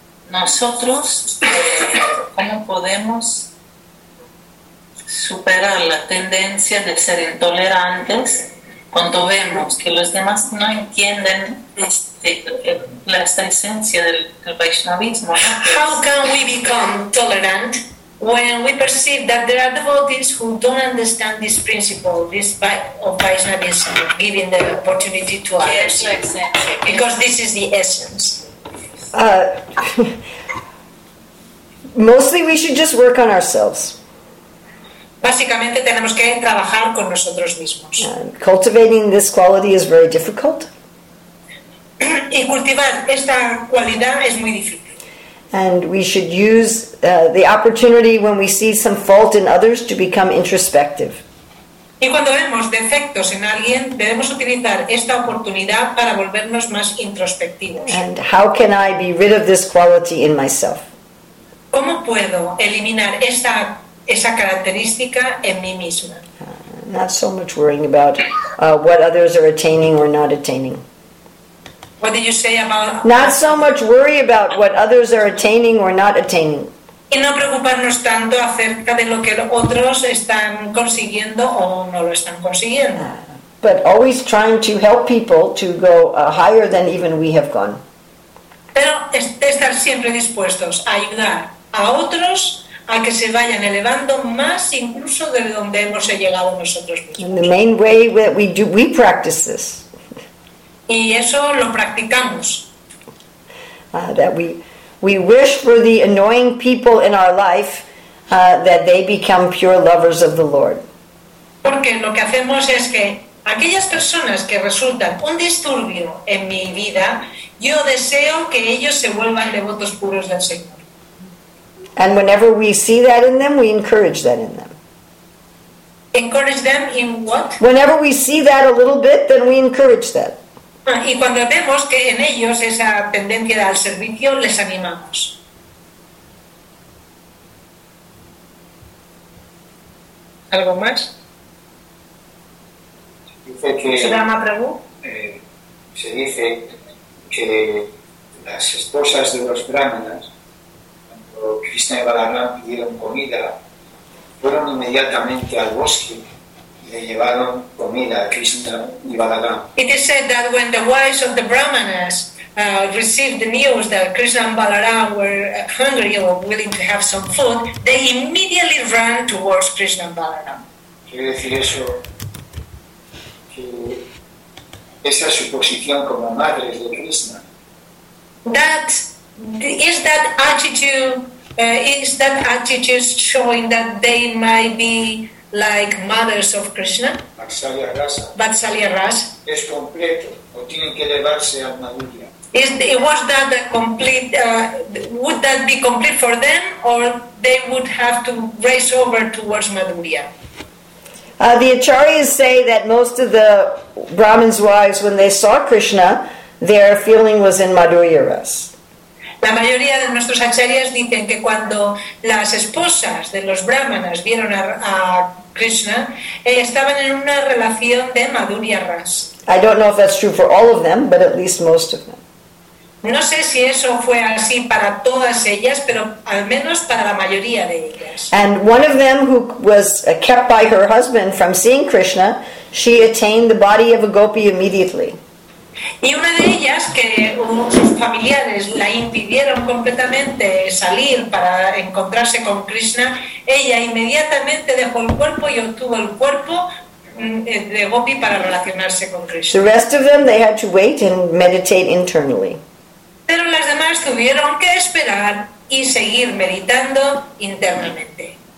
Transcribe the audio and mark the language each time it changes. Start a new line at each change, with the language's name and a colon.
Spanish: Nosotros, ¿cómo podemos superar la tendencia de ser intolerantes cuando vemos que los demás no entienden esta esencia del Vaishnavismo?
English: How can we become tolerant when we perceive that there are devotees who don't understand this principle, this of Vaishnavism, giving the opportunity to others? Because this is the essence. Mostly we should just work on ourselves.
Spanish: Básicamente tenemos que trabajar con nosotros mismos.
English: Cultivating this quality is very difficult.
Spanish: Y cultivar esta cualidad es muy difícil.
English: And we should use the opportunity when we see some fault in others to become introspective.
Spanish: Y cuando vemos defectos en alguien, debemos utilizar esta oportunidad para volvernos más introspectivos.
English: And how can I be rid of this quality in myself?
Spanish: ¿Cómo puedo eliminar esa característica en mí misma?
English: Not so much worrying about what others are attaining or not attaining. What did you say about? Not so much worry about what others are attaining or not attaining.
Spanish: Y no preocuparnos tanto acerca de lo que otros están consiguiendo o no lo están consiguiendo.
English: But always trying to help people to go higher than even we have gone.
Spanish: Pero estar siempre dispuestos a ayudar a otros a que se vayan elevando más incluso de donde hemos llegado nosotros mismos.
English: And the main way that we practice this.
Spanish: Y eso lo practicamos.
English: That we wish for the annoying people in our life that they become pure lovers of the Lord.
Spanish: Porque lo que hacemos es que aquellas personas que resultan un disturbio en mi vida, yo deseo que ellos se vuelvan devotos puros del Señor.
English: And whenever we see that in them, we encourage that in them. Encourage them in what? Whenever we see that a little bit, then we encourage that.
Spanish: Y cuando vemos que en ellos esa tendencia al servicio, les animamos. ¿Algo más? Se dice que las esposas de los brahmanas, cuando Krishna y Balaram pidieron comida, fueron inmediatamente al bosque.
English: It is said that when the wives of the Brahmanas received the news that Krishna and Balaram were hungry or willing to have some food, they immediately ran towards Krishna and Balaram.
Spanish: Quiere decir eso, que esa es su posición como madres de Krishna.
English: That is that attitude. Is that attitude showing that they might be like mothers of Krishna? Vatsalya Rasa. Vatsalya Rasa.
Spanish: Es completo. o tienen que elevarse a una gloria.
English: Is the, was that a complete? Would that be complete for them, or they would have to race over towards Madhurya? The acharyas say that most of the Brahmins' wives, when they saw Krishna, their feeling was in Madhurya ras.
Spanish: La mayoría de nuestros acharyas dicen que cuando las esposas de los brahmanas vieron a Krishna, estaban en una relación de Madhurya ras.
English: I don't know if that's true for all of them, but at least most of them.
Spanish: No sé si eso fue así para todas ellas, pero al menos para la mayoría de ellas.
English: And one of them who was kept by her husband from seeing Krishna, she attained the body of a gopi immediately.
Spanish: Y una de ellas, que sus familiares la impidieron completamente salir para encontrarse con Krishna, ella inmediatamente dejó el cuerpo y obtuvo el cuerpo de gopi para relacionarse con Krishna.
English: The rest of them, they had to wait and meditate internally.
Spanish: Pero las demás tuvieron que esperar y seguir meditando internamente.